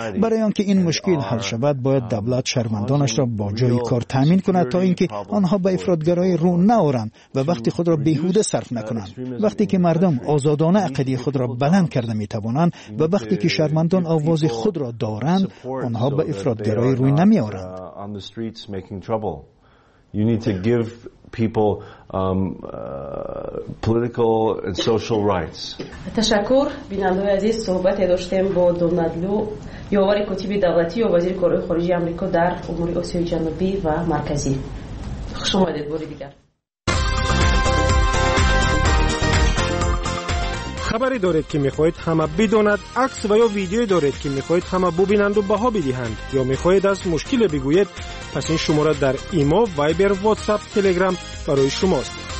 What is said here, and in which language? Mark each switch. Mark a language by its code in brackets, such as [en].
[fa] برای آنکه این مشکل حل شود، باید دولت شهروندانش را با جای کار تامین کند تا اینکه آنها به افراطگرایی رو نآورند و وقت خود را بیهوده صرف نکنند. وقتی که مردم آزادانه عقیده خود را بلند کرده می توانند و وقتی که شهروندان آواز خود را دارند، آنها به افراط‌گرایی روی نمی آورند. [en] You need to give people political and social rights. [fa] تشکر بیننده عزیز، صحبت داشتیم با دونالدلو، یاور کتیبه دولتی و وزیر کارهای خارجه آمریکا در امور آسیا جنوبی و مرکزی. خوش اومدید بار دیگر. خبری دارید که میخواهید همه بدانند؟ عکس و یا ویدیوی دارید که میخواهید همه ببینند و بها بدهند؟ یا میخواهید از مشکل بگویید؟ پس این شماره در ایمو، وایبر، واتساپ، تلگرام برای شماست.